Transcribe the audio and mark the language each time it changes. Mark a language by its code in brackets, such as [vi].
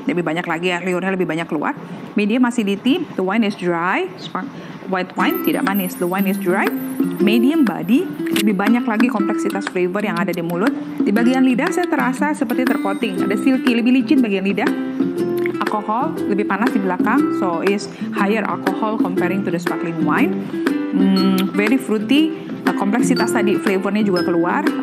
[id] Lebih banyak lagi ya, liurnya lebih banyak keluar. [en] Medium acidity, the wine is dry. White wine, [id] tidak manis. [en] The wine is dry. [id] Medium body, lebih banyak lagi kompleksitas flavor yang ada di mulut. Di bagian lidah saya terasa seperti tercoating. Ada silky, lebih licin bagian lidah. Alcohol, lebih panas di belakang. [en] So, it's higher alcohol comparing to the sparkling wine. Very fruity. [id] Kompleksitas tadi, flavornya juga keluar.